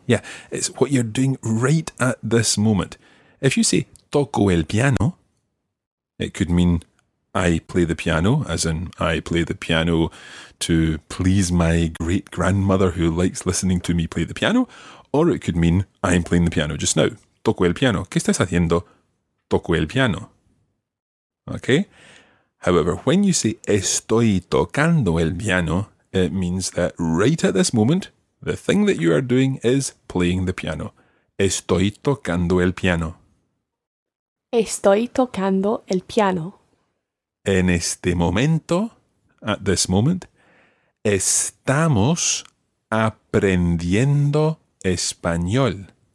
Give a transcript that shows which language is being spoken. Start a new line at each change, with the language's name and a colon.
English: Yeah, it's what you're doing right at this moment. If you say,
Spanish: toco el piano,
English: it could mean, I play the piano, as in, I play the piano to please my great-grandmother who likes listening to me play the piano, or it could mean, I'm playing the piano just now.
Spanish: Toco el piano. ¿Qué estás haciendo? Toco el piano. Okay?
English: However, when you say estoy tocando el piano, it means that right at this moment, the thing that you are doing is playing the piano.
Spanish: Estoy tocando el piano. Estoy tocando el piano. En este momento,
English: at this moment,
Spanish: estamos aprendiendo español.